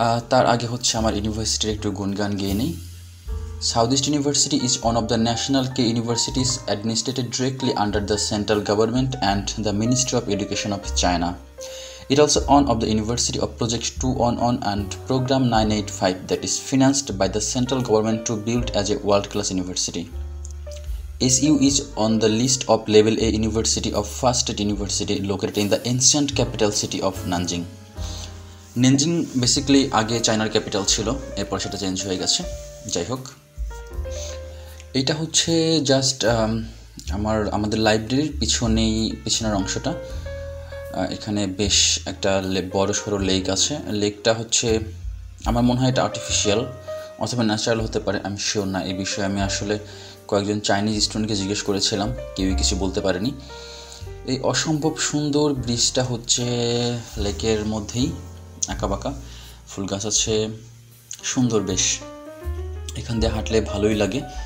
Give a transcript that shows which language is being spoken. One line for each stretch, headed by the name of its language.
Bangla: তার আগে হচ্ছে আমার ইউনিভার্সিটির একটু গুণগান গেয়ে নিই।
English: South East University is one of the national key universities administered directly under the central government and the ministry of education of China. It also one of the university of project 211 and program 985 that is financed by the central government to build as a world class university. SEU is on the list of level A university of first state university located in the ancient capital city of Nanjing.
Bangla: Nanjing basically age China's capital chilo, er pore seta change hoye geche. Jai hok, eta hocche just amader library pichonei pichoner ongsho ta. Ekhane besh ekta boro shoro lake ache. Lake ta hocche amar mone hoy eta artificial অথবা natural হতে পারে, আমি sure না। এই বিষয়ে আমি আসলে কয়েকজন চাইনিজ স্টুডেন্টকে জিজ্ঞেস করেছিলাম, কেউই কিছু বলতে পারেনি। এই অসম্ভব সুন্দর ব্রিজটা হচ্ছে লেকের মধ্যেই, আঁকাবাঁকা ফুল গাছ আছে, সুন্দর বেশ, এখান দিয়ে হাঁটলে ভালোই লাগে।